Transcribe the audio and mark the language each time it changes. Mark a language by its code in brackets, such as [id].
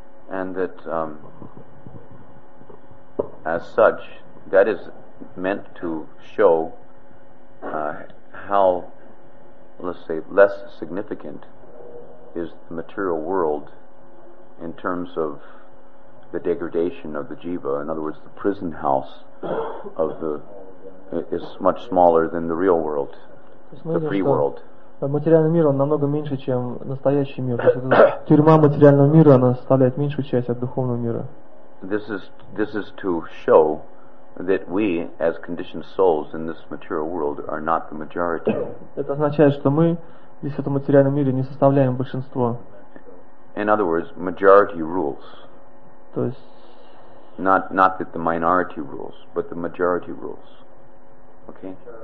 [en] And that as such, that is meant to show how, let's say, less significant is the material world in terms of the degradation of the jiva. In other words, the prison house of the is much smaller than the real world, the free world. [ru] Материальный мир он намного меньше, чем настоящий мир. То есть, тюрьма материального мира она составляет меньшую часть от духовного мира. [en] This is to show that we, as conditioned souls in this material world, are not the majority. [ru] Это означает, что мы здесь в этом материальном мире не составляем большинство. [en] In other words, majority rules. [ru] То есть. [en] Not that the minority rules, but the majority rules. Okay.